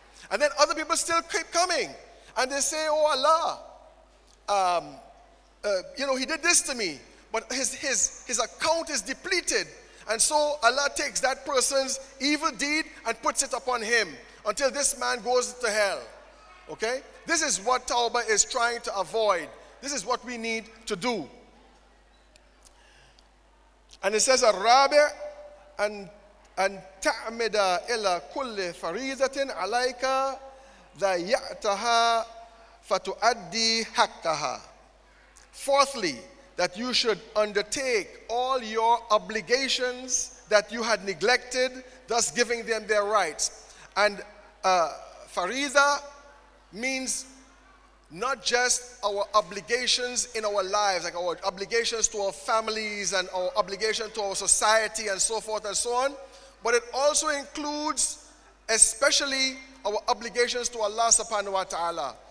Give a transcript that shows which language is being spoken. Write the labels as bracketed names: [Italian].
[English] And then other people still keep coming. And they say, oh Allah, he did this to me. But his account is depleted. And so Allah takes that person's evil deed and puts it upon him until this man goes to hell. Okay? This is what tawbah is trying to avoid. This is what we need to do. [Arabic] And it says, الرابع أن تعمد إلى كل فريضة عليك ذيعتها فتؤدي حقها. [English] Fourthly, that you should undertake all your obligations that you had neglected, thus giving them their rights. And fariza means not just our obligations in our lives, like our obligations to our families and our obligation to our society and so forth and so on, but it also includes especially our obligations to Allah subhanahu wa ta'ala.